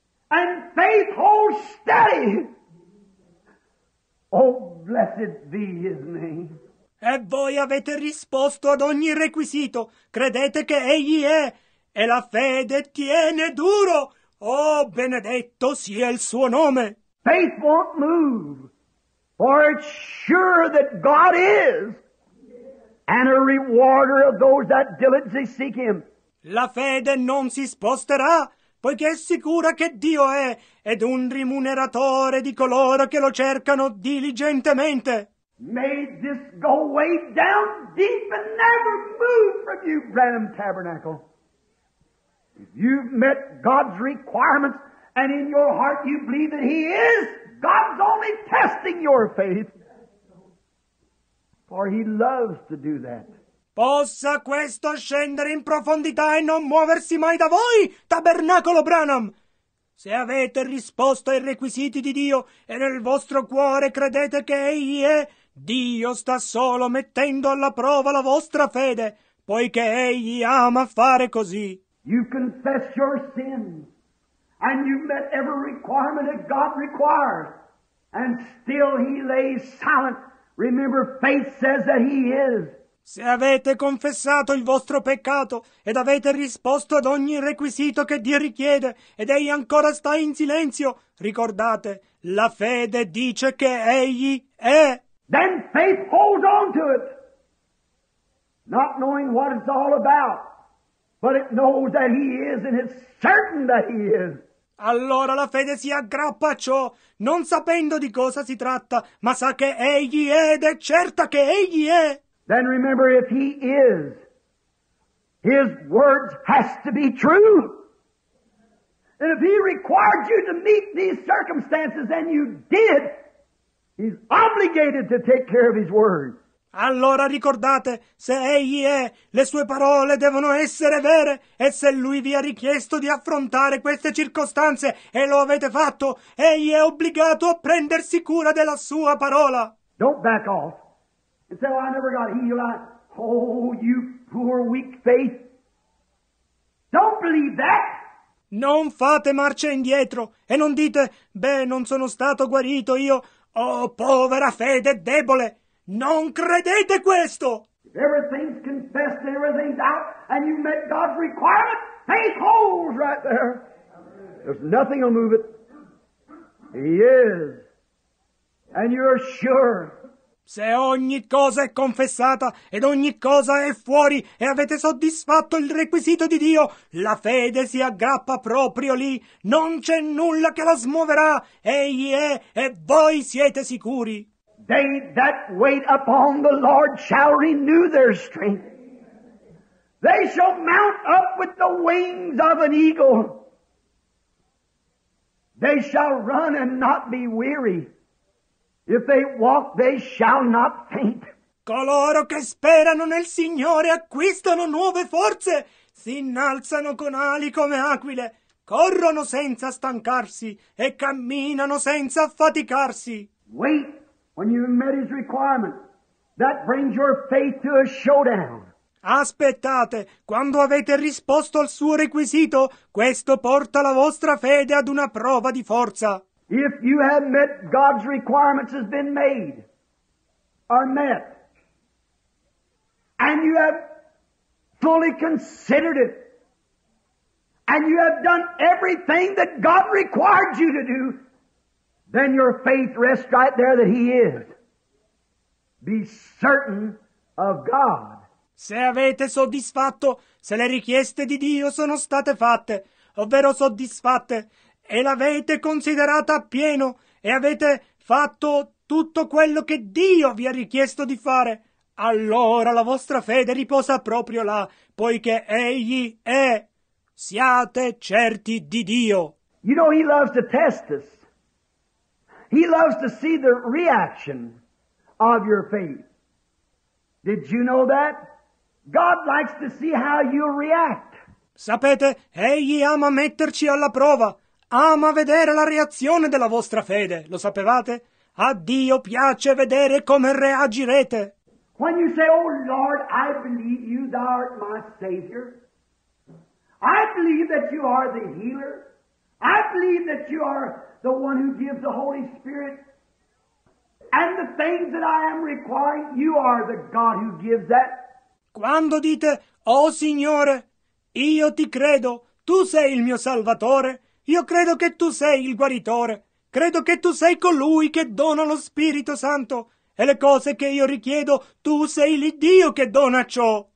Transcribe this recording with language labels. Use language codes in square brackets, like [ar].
[en] And faith holds steady. Oh, blessed be his name. [it] E voi avete risposto ad ogni requisito. Credete che egli è. E la fede tiene duro. Oh, benedetto sia il suo nome. [en] Faith won't move, for it's sure that God is, and a rewarder of those that diligently seek him. [it] La fede non si sposterà, poiché è sicura che Dio è, ed un rimuneratore di coloro che lo cercano diligentemente. [en] May this go way down deep and never move from you, Branham Tabernacle. If you've met God's requirements and in your heart you believe that he is, God's only testing your faith. For he loves to do that. [it] Possa questo scendere in profondità e non muoversi mai da voi, Tabernacolo Branham! Se avete risposto ai requisiti di Dio e nel vostro cuore credete che egli è, Dio sta solo mettendo alla prova la vostra fede, poiché egli ama fare così. [en] You confess your sins, and you've met every requirement that God requires, and still he lays silent. Remember, faith says that he is. [it] Se avete confessato il vostro peccato ed avete risposto ad ogni requisito che Dio richiede, ed egli ancora sta in silenzio, ricordate, la fede dice che egli è. [en] Then faith holds on to it, not knowing what it's all about. But it knows that he is, and it's certain that he is. [it] Allora la fede si aggrappa a ciò, non sapendo di cosa si tratta, ma sa che egli è ed è certa che egli è. [en] Then remember, if he is, his words has to be true. And if he required you to meet these circumstances, and you did, he's obligated to take care of his word. [it] Allora ricordate, se egli è, le sue parole devono essere vere, e se lui vi ha richiesto di affrontare queste circostanze e lo avete fatto, egli è obbligato a prendersi cura della sua parola. [en] Don't back off and say, oh, I never got healed. Oh, you poor weak faith. Don't believe that. [it] Non fate marcia indietro e non dite, beh, non sono stato guarito io. Oh, povera fede debole. Non credete questo! [en] If everything's confessed and everything's out and you met God's requirement, faith holds right there. There's nothing will move it. He is. And you're sure. [it] Se ogni cosa è confessata ed ogni cosa è fuori e avete soddisfatto il requisito di Dio, la fede si aggrappa proprio lì. Non c'è nulla che la smuoverà. Egli è e voi siete sicuri. [en] They that wait upon the Lord shall renew their strength. They shall mount up with the wings of an eagle. They shall run and not be weary. If they walk, they shall not faint. [it] Coloro che sperano nel Signore acquistano nuove forze. Si innalzano con ali come aquile. Corrono senza stancarsi e camminano senza affaticarsi. [en] Wait. When you've met his requirement, that brings your faith to a showdown. [it] Aspettate, quando avete risposto al suo requisito, questo porta la vostra fede ad una prova di forza. [en] If you have met God's requirements has been made, are met, And you have fully considered it. And you have done everything that God required you to do. Then your faith rests right there that He is. Be certain of God. [it] Se avete soddisfatto, se le richieste di Dio sono state fatte, ovvero soddisfatte, e l'avete considerata appieno, e avete fatto tutto quello che Dio vi ha richiesto di fare, allora la vostra fede riposa proprio là, poiché Egli è. Siate certi di Dio. [en] You know, He loves to test us. He loves to see the reaction of your faith. Did you know that? God likes to see how you react. [it] Sapete, Egli ama metterci alla prova. Ama vedere la reazione della vostra fede. Lo sapevate? A Dio piace vedere come reagirete. [en] When you say, "Oh Lord, I believe you, thou art my Savior. I believe that you are the healer. I believe that you are the one who gives the Holy Spirit. And the things that I am requiring, you are the God who gives that." [it] Quando dite, "Oh Signore, io ti credo, tu sei il mio Salvatore, io credo che tu sei il guaritore, credo che tu sei colui che dona lo Spirito Santo, e le cose che io richiedo, tu sei il Dio che dona ciò."